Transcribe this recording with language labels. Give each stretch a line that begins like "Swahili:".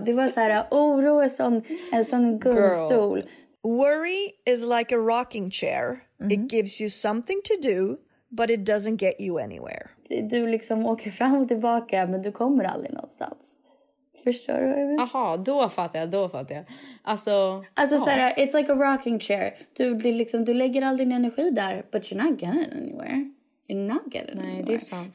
Swedish: Det var så här, oro är som en sån gungstol.
English: Worry is like a rocking chair. Mm-hmm. It gives you something to do, but it doesn't get you anywhere.
Swedish: Du liksom åker fram och tillbaka, men du kommer aldrig någonstans. Förstår du vad jag menar? Aha, då fattar jag. Alltså så här,
English: it's like a rocking chair.
Swedish: Du lägger all din energi där,
English: but you're not getting anywhere.
Swedish: Nej, det är sant.